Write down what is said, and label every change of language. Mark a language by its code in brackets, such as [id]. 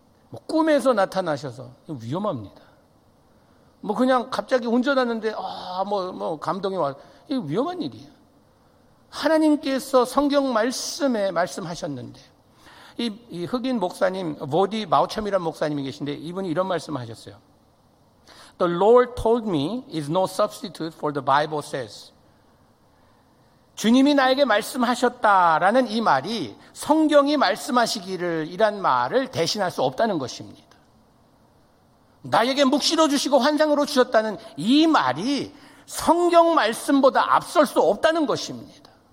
[ko] 뭐 꿈에서 나타나셔서 위험합니다. 뭐 그냥 갑자기 운전하는데 감동이 와. 이게 위험한 일이에요. 하나님께서 성경 말씀에 말씀하셨는데 이 흑인 목사님 워디 마우첨이라는 목사님이 계신데 이분이 이런 말씀을 하셨어요. [en] The Lord told me is no substitute for the Bible says. [ko] 주님이 나에게 말씀하셨다라는 이 말이 성경이 말씀하시기를 이란 말을 대신할 수 없다는 것입니다. 나에게 묵시로 주시고 환상으로 주셨다는 이 말이 성경 말씀보다 앞설 수 없다는 것입니다.